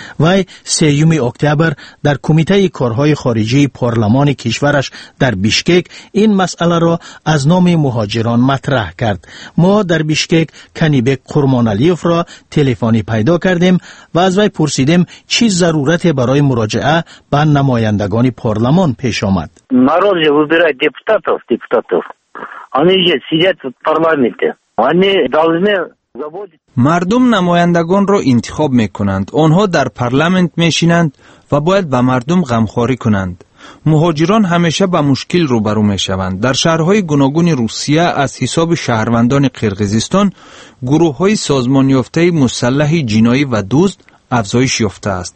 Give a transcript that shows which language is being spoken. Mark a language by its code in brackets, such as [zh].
[fa] وی 3 اکتبر در کمیته کارهای خارجی پارلمان کشورش در بیشکک این مسئله را از نام مهاجران مطرح کرد. ما در بیشکک کنیبک قرمانالیف را تلفنی پیدا کردیم و از وی پرسیدیم چی ضرورت برای مراجعه به نمایندگان پارلمان پیش آمد. [ru] مرد выбирать депутатов. Они здесь сидят в парламенте. Они должны заводить. [fa] مردم نمایندگان را انتخاب میکنند. آنها در پارلمنت میشینند و باید به مردم غمخواری کنند. مهاجران همیشه به مشکل روبرو می شوند. در شهرهای گوناگون روسیه از حساب شهروندان قرقیزستان گروه های سازمان یافته مسلح جنایی و دزد افزایش یافته است.